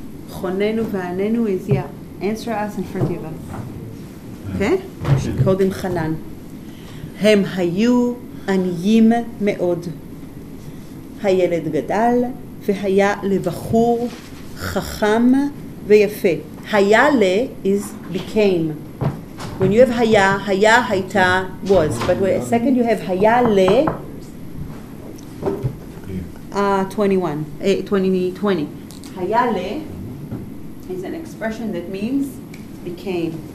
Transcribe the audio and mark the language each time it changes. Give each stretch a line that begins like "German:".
Hebrew: חוננו ועננו
English: is yeah. Answer us and forgive us. Okay? Called him חנן.
Hebrew: הם היו עניים מאוד. הילד גדל, והיה לבחור חכם ויפה.
English: היה ל is became. When you have היה, היה הייתה was. But when a second you have היה ל, 2020. היה ל is an expression that means became.